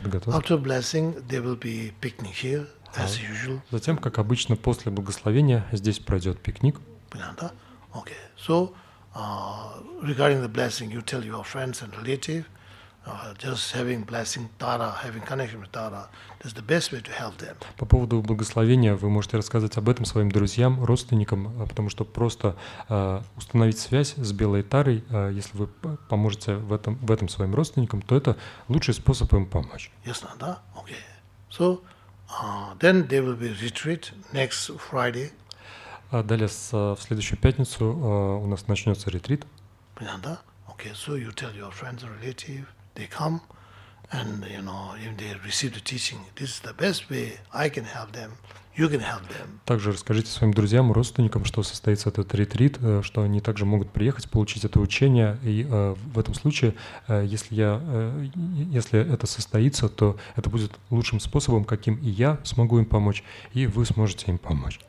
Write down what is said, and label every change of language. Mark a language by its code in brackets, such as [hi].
[en] After blessing, there will be picnic here, as usual. [ru] Затем, как обычно, после благословения здесь пройдет пикник. Понятно, да? [en] Okay. So, regarding the blessing, you tell your friends and relatives, just having blessing Tara, having connection with Tara, is the best way to help them. [ru] По поводу благословения вы можете рассказать об этом своим друзьям, родственникам, потому что просто установить связь с белой Тарой, если вы поможете в этом своим родственникам, то это лучший способ им помочь. Ясно, да? [en] Okay. So, then there will be retreat next Friday. [ru] Далее в следующую пятницу у нас начнется ретрит. Понятно, да? [en] Okay. So you tell your friends and relatives. They come, and you know, if they receive the teaching, this is the best way I can help them. You can help them. [ru] Также расскажите своим друзьям, родственникам, что состоится этот ретрит, что они также могут приехать, получить это учение, и в этом случае, если это состоится, то это будет лучшим способом, каким и я смогу им помочь, и вы сможете им помочь.